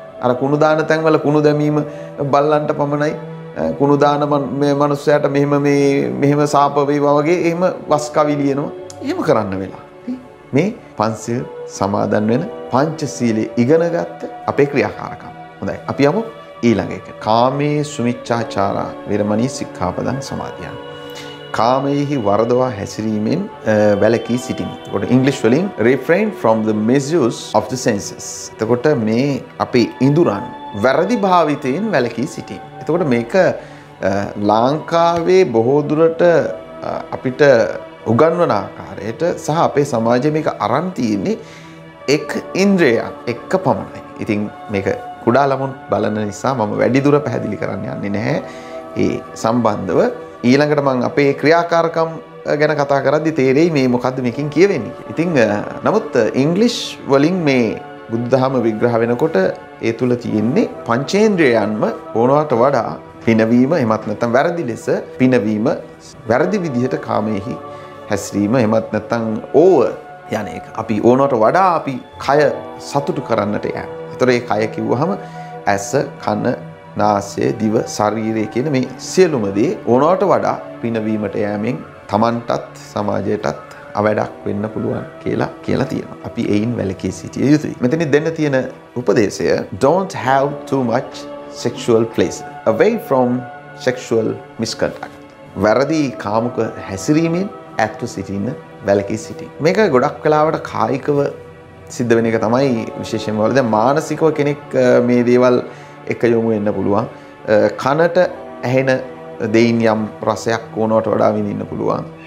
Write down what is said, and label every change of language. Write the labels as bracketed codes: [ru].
[si] අර කුණු දාන තැන් වල කුණු දැමීම බල්ලන්ට පමණයි. කුණු දාන මේ මනුස්සයාට මෙහෙම මේ මෙහෙම සාප වේවා වගේ එහෙම වස් කවි ලියනවා. එහෙම කරන්න වෙලා. මේ පංචසීල් සමාදන් වෙන පංචසීලයේ ඉගෙනගත්ත අපේ ක්‍රියාකාරකම්. හොඳයි. අපි යමු ඊළඟ එක. [pi] කාමේ සුමිච්ඡාචාරා විරමණී සික්ඛාපදං සමාදියාමි. [si] කාමෙහි වරදවා හැසිරීමෙන් වැළකී සිටිනි. එතකොට ඉංග්‍රීසි වලින් [en] refrain from the misuse of the senses. [si] එතකොට මේ අපේ ඉඳුරන් වැරදි භාවිතයෙන් වැළකී සිටිනි. එතකොට මේක ලංකාවේ බොහෝ දුරට අපිට උගන්වන ආකාරයට සහ අපේ සමාජයේ මේක අරන් තියෙන්නේ එක් ඉන්ද්‍රියක් එක්ක පමණයි. ඉතින් මේක කුඩා ළමොන් බලන නිසා මම වැඩි දුර පැහැදිලි කරන්න යන්නේ නැහැ. ඒ සම්බන්ධව ඊළඟට මම අපේ ක්‍රියාකාරකම් ගැන කතා කරද්දී තේරෙයි මේ මොකද්ද මේකෙන් කියවෙන්නේ කියලා. ඉතින් නමුත් ඉංග්‍රීෂ් වලින් මේ බුද්ධාම විග්‍රහ වෙනකොට ඒ තුල තියෙන්නේ පංචේන්ද්‍රයන්ම ඕනවට වඩා පිනවීම එමත් නැත්නම් වැරදි ලෙස පිනවීම වැරදි විදිහට කාමයේහි හැසිරීම එමත් නැත්නම් ඕව යන්නේ අපි ඕනවට වඩා අපි කය සතුටු කරන්නට යෑම. ඒතර ඒ කය කිව්වහම ඇස කන නාසය දිව ශරීරය කියන මේ සියලුම දේ ඕනවට වඩා පිනවීමට යෑමෙන් Tamanටත් සමාජයටත් අවැඩක් වෙන්න පුළුවන් කියලා තියෙනවා. අපි ඒයින් වැළකී සිටිය යුතුයි. මෙතනින් දෙන්න තියෙන උපදේශය [en] don't have too much sexual pleasure away from sexual misconduct. [si] වැරදි කාමක හැසිරීමෙන් ඇතුළු සිටින්න වැළකී සිටින්. මේක ගොඩක් කලාවට කායිකව සිද්ධ වෙන එක තමයි විශේෂයෙන්ම වල දැන් මානසිකව කෙනෙක් මේ දේවල් එක යොමු වෙන්න පුළුවන්. කනට ඇහෙන දෙයින් යම් රසයක් ඕනවට වඩා විඳින්න පුළුවන්.